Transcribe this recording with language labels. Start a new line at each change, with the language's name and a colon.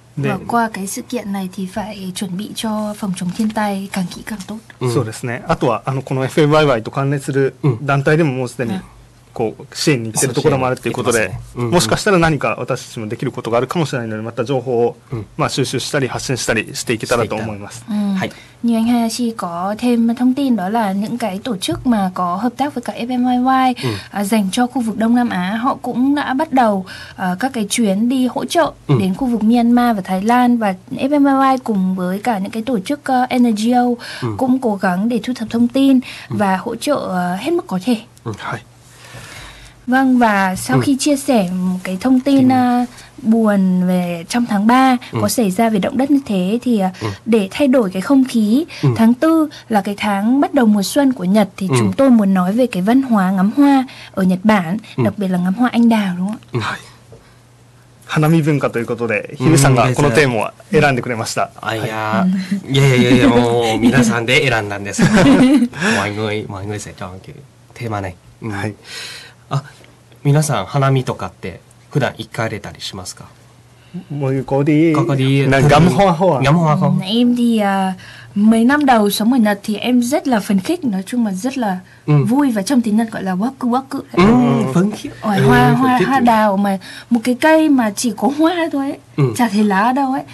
Vietnamese: まあ、qua cái sự kiện này thì phải chuẩn bị cho phòng chống thiên tai càng kỹ càng tốt。
Japanese: そうですね。あとはこの FMYY と関連する団体でももうすでにこう支援に行ってるところもあるということで、もしかしたら何か私たちもできることがあるかもしれないので、また情報を収集したり発信したりしていけたらと思います。はい。
Vietnamese: Như anh Hayashi có thêm thông tin, đó là những cái tổ chức mà có hợp tác với cả FMYY dành cho khu vực Đông Nam Á, họ cũng đã bắt đầu các cái chuyến đi hỗ trợ đến khu vực Myanmar và Thái Lan, và FMYY cùng với cả những cái tổ chức NGO cũng cố gắng để thu thập thông tin và hỗ trợ hết mức có thể. Vâng, và sau khi chia sẻ cái thông tin buồn về trong tháng 3 có xảy ra về động đất như thế, thì để thay đổi cái không khí, tháng 4 là cái tháng bắt đầu mùa xuân của Nhật, thì chúng tôi muốn nói về cái văn hóa ngắm hoa ở Nhật Bản, đặc biệt là ngắm hoa anh đào, đúng không ạ?
Japanese: Hanami Bunka ということで、ヒルさんがこのテーマを選んでくれました。いやもう皆さんで選んだんです。毎回セットアンケートテーマね。皆さん花見とかって普段行かれたりしますか？もうここでいい。ここでいい。
Vietnamese: なんかガムホアホア。ガムホアホア。 Em đi à, mấy năm đầu sống ở Nhật thì em rất là phấn khích, nói chung là rất là vui và trong tiếng Nhật gọi là waku waku. Phấn khích. Ôi, hoa hoa hoa đào mà một cái cây mà chỉ có hoa thôi, chả thấy lá đâu ấy.